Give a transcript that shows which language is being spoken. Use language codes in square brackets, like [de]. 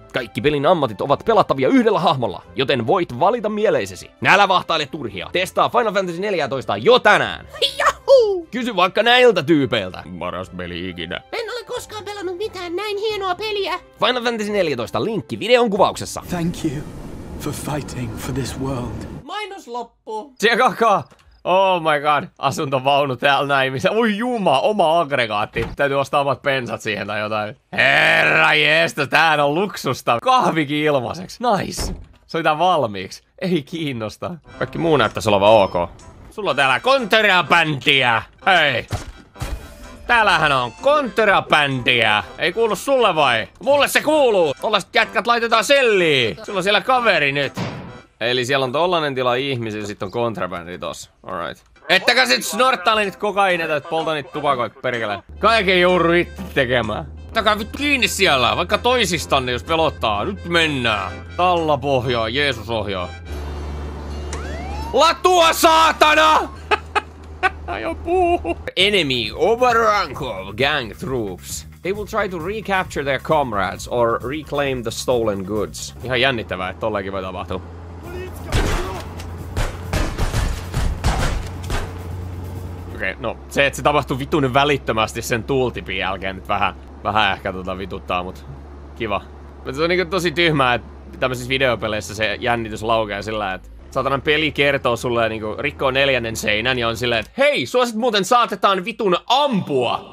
[fi] Kaikki pelin ammatit ovat pelattavia yhdellä hahmolla, joten voit valita mieleisesi. Älä vahtaile turhia, testaa Final Fantasy 14 jo tänään! Jahuu! Kysy vaikka näiltä tyypeiltä! Paras peli ikinä. En ole koskaan pelannut mitään näin hienoa peliä! Final Fantasy 14, linkki videon kuvauksessa. [en] Thank you for fighting for this world. [fi] Mainos loppu! Tsekakaa! [en] Oh my god, [fi] asuntovaunu täällä näin, missä, voi juma, oma aggregaatti. Täytyy ostaa omat pensat siihen tai jotain. Herra jeesto, tämähän on luksusta. Kahvikin ilmaiseksi. Nice. Soitan valmiiksi. Ei kiinnosta. Kaikki muu näyttäis olevan ok. Sulla on täällä kontrabändiä. Hei. Täällähän on kontrabändiä. Ei kuulu sulle vai? Mulle se kuuluu. Tollaset jätkät laitetaan selliin. Sulla on siellä kaveri nyt. Eli siellä on tollanen tila ihmisiä ja sit on kontrabändi tossa. Alright. Ettäkä sit snorttaile niitä kokaineita, et polta niitä tupakoit perkele. Kaiken joudu itse tekemään. Ottakaa vittu kiinni siellä, vaikka toisistanne jos pelottaa. Nyt mennään. Talla pohjaa, Jeesus ohjaa. Latua saatana! Ajo puuhu. [en] Enemy overrun of gang troops. They will try to recapture their comrades or reclaim the stolen goods. [fi] Ihan jännittävää, et tollakin voi tapahtua. Okei, no se, että se tapahtui vitun välittömästi sen tuultipin jälkeen, nyt vähän ehkä tota vituttaa, mut kiva. Mutta se on niinku tosi tyhmää, että tämmöisissä videopeleissä se jännitys laukee sillä, että satanan peli kertoo sulle niinku rikkoo neljännen seinän ja on silleen, että hei, sua sit muuten saatetaan vitun ampua!